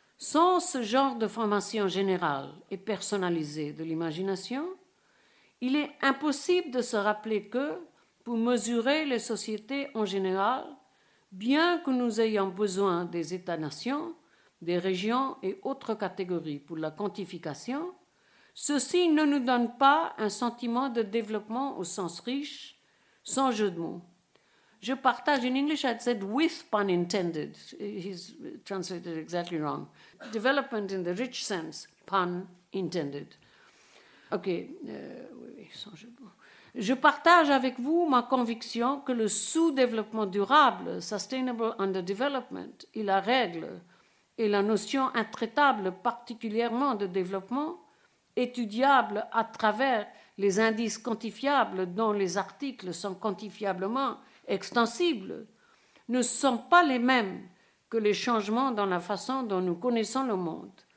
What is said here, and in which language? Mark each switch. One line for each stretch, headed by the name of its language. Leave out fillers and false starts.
French: Sans ce genre de formation générale et personnalisée de l'imagination, il est impossible de se rappeler que, pour mesurer les sociétés en général, bien que nous ayons besoin des États-nations, des régions et autres catégories pour la quantification, ceci ne nous donne pas un sentiment de développement au sens riche, sans jeu de mots. Je partage,
English: in English I said with pun intended, he's translated exactly wrong, development in the rich sense, pun intended.
French: Ok, oui, sans jeu de mots. Je partage avec vous ma conviction que le sous-développement durable,
English: sustainable underdevelopment,
French: est la règle et la notion intraitable particulièrement de développement, étudiable à travers les indices quantifiables dont les articles sont quantifiablement extensibles, ne sont pas les mêmes que les changements dans la façon dont nous connaissons le monde.